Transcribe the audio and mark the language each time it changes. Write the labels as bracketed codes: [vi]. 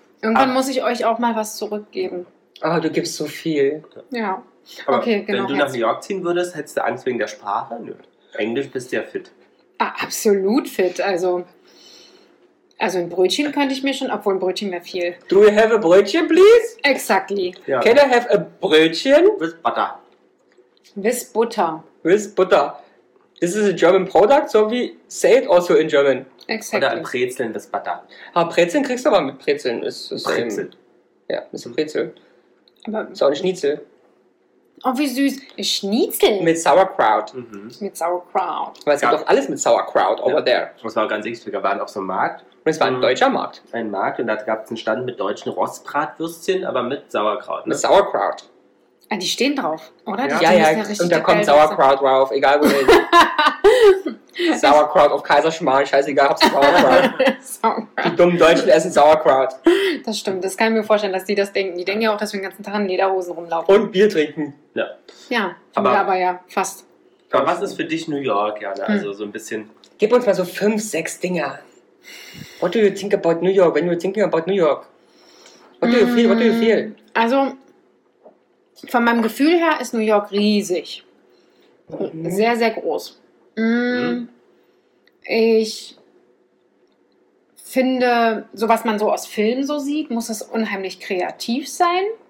[de] Irgendwann muss ich euch auch mal was zurückgeben. Aber du gibst so viel. Ja. Aber okay, genau. Wenn du nach New York ziehen würdest, hättest du Angst wegen der Sprache? Nö. Englisch bist du ja fit. Ah, absolut fit. Also ein Brötchen könnte ich mir schon, obwohl ein Brötchen wäre viel. [en] Do you have a Brötchen, please? Exactly. Ja. Can I have a Brötchen? With butter. With butter. With butter. This is a German product, so we say it also in German. Exactly. [de] Oder ein Brezeln, das Butter. Aber Brezeln kriegst du aber mit Brezeln. Ist Brezel. Ja, ein bisschen Brezel. Ist auch ein Schnitzel. Oh, wie süß. Ein Schnitzel? Mit Sauerkraut. Mhm. Mit Sauerkraut. Weil es gibt doch alles mit Sauerkraut [en] over there. [de] Das war ganz wichtig. Wir waren auf so einem Markt. Und es war ein deutscher Markt. Ein Markt und da gab es einen Stand mit deutschen Rostbratwürstchen, aber mit Sauerkraut. Ne? Mit Sauerkraut. Ah, die stehen drauf, oder? Ja, ja, und da kommt Sauerkraut drauf, egal wo hin. Sauerkraut auf Kaiserschmarrn, scheißegal, hab's Sauerkraut. Die dummen Deutschen essen Sauerkraut. Das stimmt, das kann ich mir vorstellen, dass die das denken. Die denken ja auch, dass wir den ganzen Tag in Lederhosen rumlaufen. Und Bier trinken. Ja. Ja, aber ja, fast. Aber was ist für dich New York, Jana? Also so ein bisschen. Gib uns mal so 5, 6 Dinger. [en] What do you think about New York, when you're thinking about New York? What do you feel? What do you feel? [de] Also, von meinem Gefühl her ist New York riesig. Sehr, sehr groß. Ich finde, so was man so aus Filmen so sieht, muss es unheimlich kreativ sein.